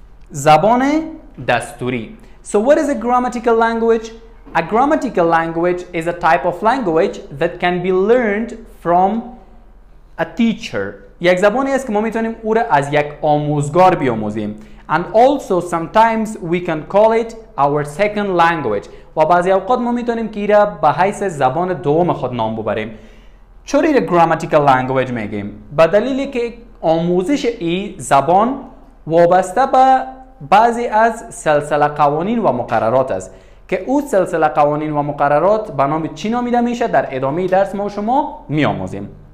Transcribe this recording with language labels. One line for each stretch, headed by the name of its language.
Persian: زبان دستوری.
English: So what is a grammatical language? A grammatical language is a type of language that can be learned from a teacher.
Persian: یک زبانی است که ما میتونیم او را از یک آموزگار بیاموزیم.
English: And also sometimes we can call it our second language.
Persian: و بعضی اوقات ما میتونیم که ای را به حیث زبان دوم خود نام ببریم. چرا ایره grammatical language میگیم؟ به دلیلی که آموزش ای زبان وابسته به بعضی از سلسله قوانین و مقررات است که او سلسله قوانین و مقررات به نام چی نامیده میشه در ادامه درس ما شما میآموزیم.